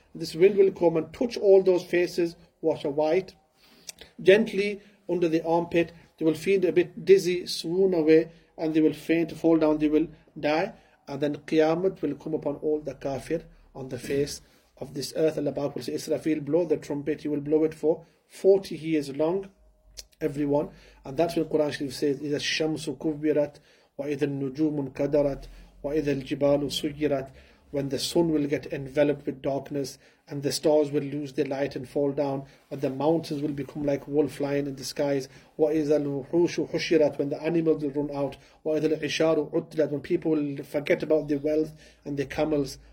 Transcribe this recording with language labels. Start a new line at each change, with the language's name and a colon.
English: This wind will come and touch all those faces, which are white, gently under the armpit. They will feel a bit dizzy, swoon away, and they will faint, fall down, they will die. And then Qiyamah will come upon all the kafir on the face of this earth. Allah will say, Israfil, blow the trumpet. He will blow it for 40 years long, everyone. And that's when Quran Sharif says,
Arabic: إِذَا الشَّمْسُ كُبِّرَتْ وَإِذَا النُّجُومُ كَدَرَتْ وَإِذَا الْجِبَالُ سُيِّرَتْ.
English: When the sun will get enveloped with darkness and the stars will lose their light and fall down, and the mountains will become like wolf flying in the skies.
Arabic: وَإِذَا الْوُحُوشُ حُشِرَتْ,
English: when the animals will run out.
Arabic: وَإِذَا الْعِشَارُ عُطِّلَتْ,
English: when people will forget about their wealth and their camels.